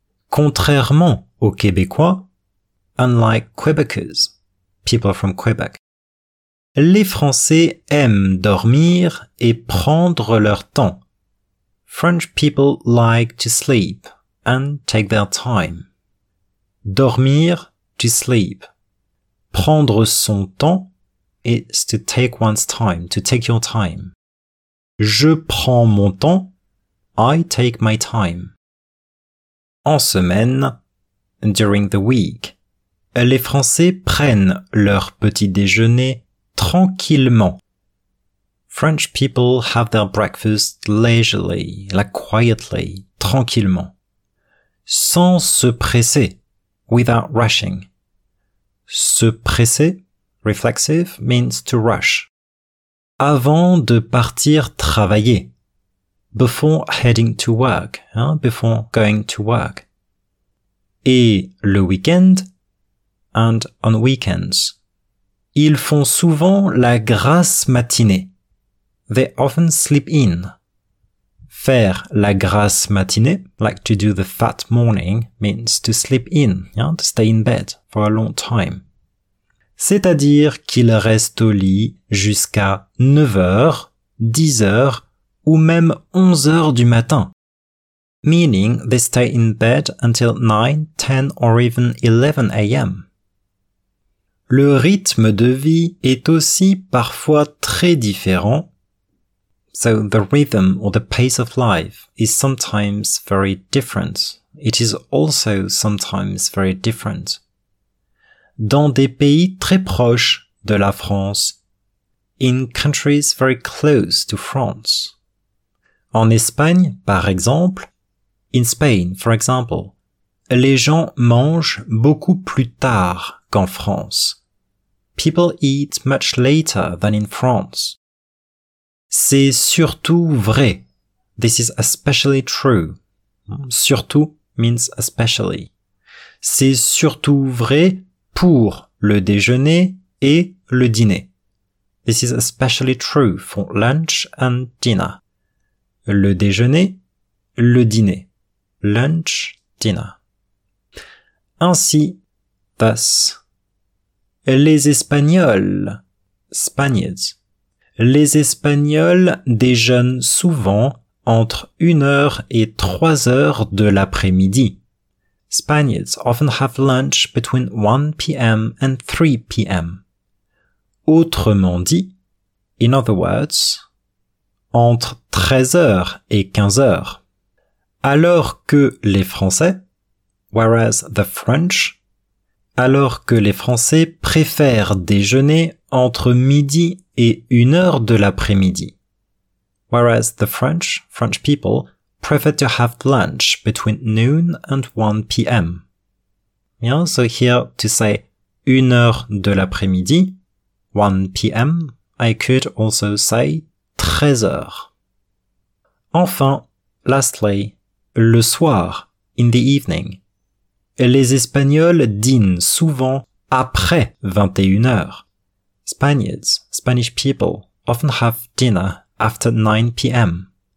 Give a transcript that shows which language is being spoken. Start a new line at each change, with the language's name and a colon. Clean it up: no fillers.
French: Contrairement aux Québécois,
English: unlike Quebecers, people from Quebec.
French: Les Français aiment dormir et prendre leur temps.
English: French people like to sleep and take their time. Dormir, to sleep.
French: Prendre son temps
English: is to take one's time, to take your time.
French: Je prends mon temps,
English: I take my time.
French: En semaine,
English: during the week,
French: les Français prennent leur petit déjeuner tranquillement.
English: French people have their breakfast leisurely, like quietly, tranquillement.
French: Sans se presser,
English: without rushing.
French: Se presser,
English: reflexive, means to rush.
French: Avant de partir travailler.
English: Before heading to work, hein, before going to work.
French: Et le week-end,
English: and on weekends.
French: Ils font souvent la grasse matinée.
English: They often sleep in.
French: Faire la grasse matinée,
English: like to do the fat morning, means to sleep in, yeah, to stay in bed for a long time.
French: C'est-à-dire qu'ils restent au lit jusqu'à 9h, 10h, ou même 11h du matin.
English: Meaning they stay in bed until 9, 10 or even 11 a.m.
French: Le rythme de vie est aussi parfois très différent.
English: So the rhythm or the pace of life is sometimes very different. It is also sometimes very different.
French: dans des pays très proches de la France.
English: In countries very close to France.
French: En Espagne, par exemple.
English: In Spain, for example.
French: Les gens mangent beaucoup plus tard qu'en France.
English: People eat much later than in France.
French: C'est surtout vrai.
English: This is especially true. Surtout means especially.
French: C'est surtout vrai pour le déjeuner et le dîner.
English: This is especially true for lunch and dinner.
French: Le déjeuner, le dîner.
English: Lunch, dinner.
French: Ainsi, thus. Les Espagnols, Spaniards. Les Espagnols déjeunent souvent entre 1h et 3h de l'après-midi.
English: Spaniards often have lunch between 1 p.m. and 3 p.m.
French: Autrement dit,
English: in other words,
French: entre 13h et 15h. Alors que les Français,
English: whereas the French,
French: alors que les Français préfèrent déjeuner entre midi et 1h de l'après-midi.
English: Whereas the French people, prefer to have lunch between noon and 1 p.m. Yeah, so here to say
French: 1h de l'après-midi,
English: 1 p.m, I could also say 13h.
French: Enfin, lastly, le soir,
English: in the evening.
French: Les Espagnols dînent souvent après 21h.
English: Spanish people often have dinner after 9 p.m.